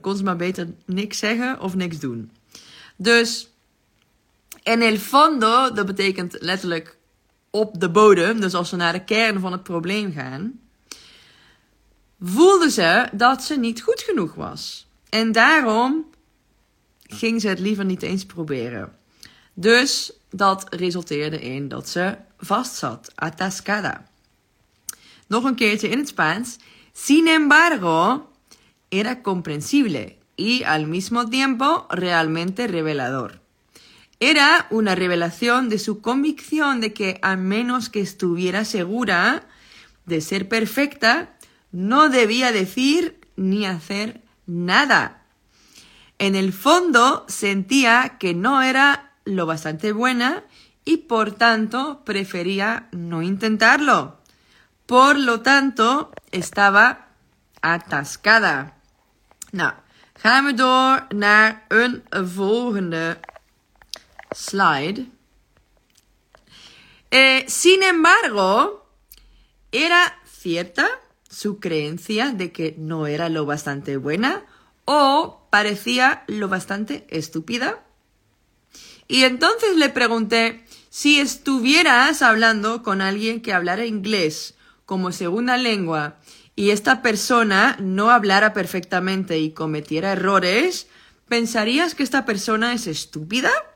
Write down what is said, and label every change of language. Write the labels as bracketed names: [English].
[Dutch] Kon ze maar beter niks zeggen of niks doen. Dus, [Spanish] en el fondo, [Dutch] dat betekent letterlijk op de bodem, dus als ze naar de kern van het probleem gaan, voelde ze dat ze niet goed genoeg was. En daarom ging ze het liever niet eens proberen. Dus dat resulteerde in dat ze vast zat. Atascada. Nog een keertje in het Spaans. [Spanish] Sin embargo, era comprensible y al mismo tiempo realmente revelador. Era una revelación de su convicción de que a menos que estuviera segura de ser perfecta, no debía decir ni hacer nada. En el fondo, sentía que no era lo bastante buena y, por tanto, prefería no intentarlo. Por lo tanto, estaba atascada. [Dutch] Nou, gaan we door naar een volgende slide. [Spanish] Sin embargo, era cierta su creencia de que no era lo bastante buena o parecía lo bastante estúpida. Y entonces le pregunté si estuvieras hablando con alguien que hablara inglés como segunda lengua y esta persona no hablara perfectamente y cometiera errores, ¿pensarías que esta persona es estúpida?